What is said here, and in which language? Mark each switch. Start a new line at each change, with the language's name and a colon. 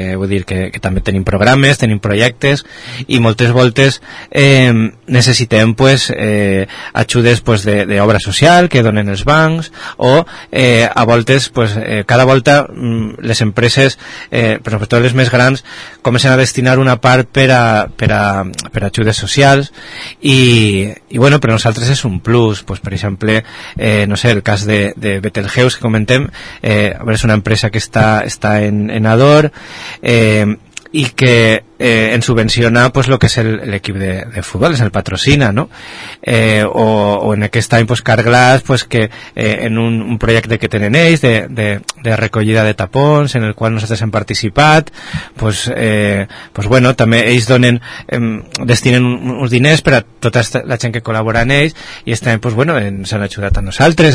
Catalan: Vull dir que també tenim programes, tenim projectes, i moltes voltes necessitem, pues, ajudes, pues, de obra social que donen els bancs, o a voltes, pues, cada volta les empreses, però sobretot les més grans, comencen a destinar una part per a ajudes socials, i bueno, però nosaltres és un plus. Pues, per exemple, no sé, el cas de Betelgeuse que comentem, és una empresa que està en Ador, i que
Spanish: en subvenciona pues lo que es el equipo de fútbol, es el patrocina, ¿no?
Catalan: O en aquest any pues Carglass, pues que en un projecte que tenen ells de recollida de tapons, en el qual nosaltres hem participat, pues pues bueno, també ells donen destinen uns diners per a tota la gent que col·labora en ells, i estem pues bueno, s'han ajudat a nosaltres.